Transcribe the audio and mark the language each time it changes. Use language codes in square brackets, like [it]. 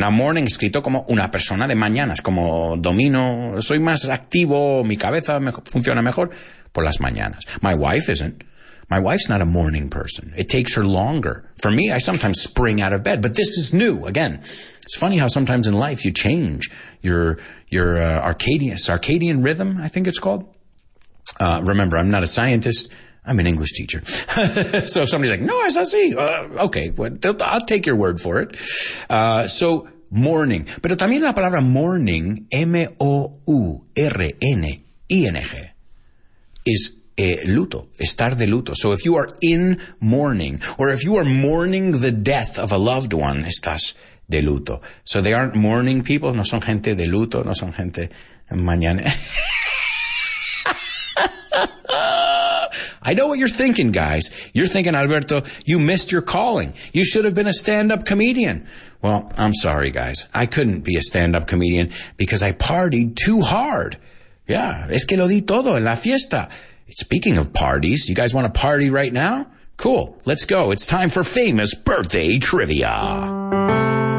[es] Now, morning escrito como una persona de mañanas, como domino, soy más activo, mi cabeza funciona mejor por las mañanas. [en] My wife isn't. My wife's not a morning person. It takes her longer. For me, I sometimes spring out of bed, but this is new. Again, it's funny how sometimes in life you change your circadian rhythm, I think it's called. Remember, I'm not a scientist. I'm an English teacher. So somebody's like, no, I saw C. Okay, well, I'll take your word for it. So mourning. [es] Pero también la palabra mourning, M-O-U-R-N-I-N-G, is luto, estar de luto. [en] So if you are in mourning, or if you are mourning the death of a loved one, [es] estás de luto. [en] So they aren't mourning people, [es] no son gente de luto, no son gente mañana. [en] I know what you're thinking, guys. You're thinking, Alberto, you missed your calling. You should have been a stand-up comedian. Well, I'm sorry, guys. I couldn't be a stand-up comedian because I partied too hard. [es] Yeah, es que lo di todo en la fiesta. [en] Speaking of parties, you guys want to party right now? Cool, let's go. It's time for famous birthday trivia.